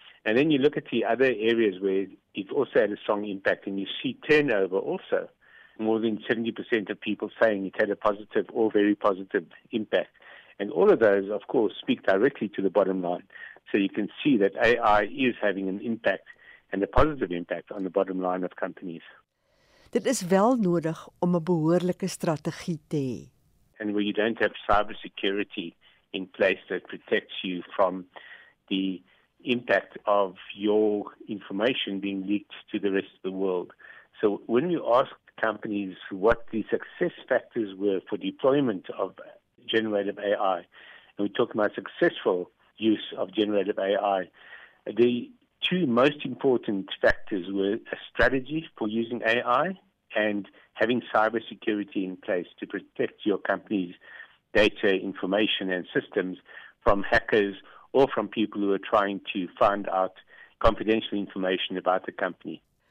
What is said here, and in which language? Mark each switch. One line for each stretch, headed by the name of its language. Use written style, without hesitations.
English: And then you look at the other areas where it also had a strong impact, and you see turnover also. More than 70% of people saying it had a positive or very positive impact. And all of those, of course, speak directly to the bottom line. So you can see that AI is having an impact and a positive impact on the bottom line of companies.
Afrikaans: Dit is wel nodig om 'n behoorlike strategie te hê.
English: And where you don't have cybersecurity in place that protects you from the impact of your information being leaked to the rest of the world. So when you ask companies what the success factors were for deployment of generative AI, and we're talking about successful use of generative AI, the two most important factors were a strategy for using AI and having cybersecurity in place to protect your company's data, information, and systems from hackers or from people who are trying to find out confidential information about the company.